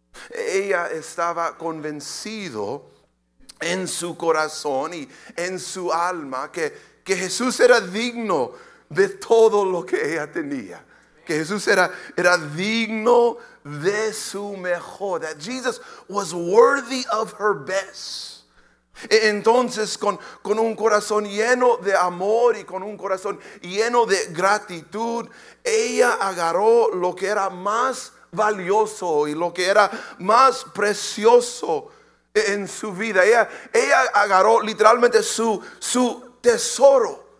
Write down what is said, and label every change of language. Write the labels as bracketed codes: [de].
[es] Ella estaba convencido en su corazón y en su alma que Jesús era digno de todo lo que ella tenía. Que Jesús era digno de su mejor. [en] That Jesus was worthy of her best. [es] Entonces, con un corazón lleno de amor y con un corazón lleno de gratitud, ella agarró lo que era más valioso y lo que era más precioso en su vida. Ella agarró literalmente su tesoro.